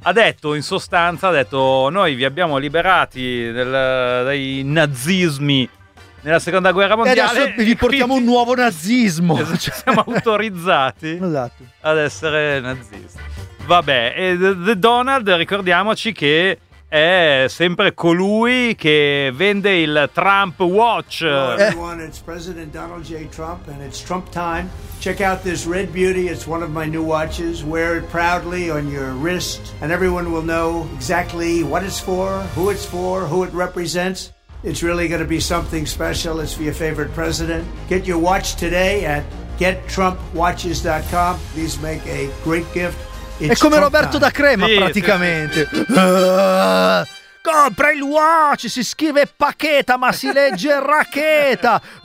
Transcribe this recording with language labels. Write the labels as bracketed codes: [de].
[it] Ha detto, in sostanza, ha detto: noi vi abbiamo liberati dai nazismi nella seconda guerra mondiale. E adesso vi portiamo un nuovo nazismo. Cioè, siamo autorizzati esatto. ad essere nazisti. Vabbè, e The Donald, ricordiamoci che è sempre colui che vende il Trump Watch. [en] Hello everyone, it's President Donald J. Trump and it's Trump time. Check out this red beauty, it's one of my new watches. Wear it proudly on your wrist and everyone will know exactly what it's for, who it represents. It's really going to be something special. It's for your favorite president. Get your watch today at gettrumpwatches.com. Please make a great gift. [it] È come Roberto da Crema, sì, praticamente. Sì, sì. Compra il watch, si scrive pacheta, ma si legge racheta.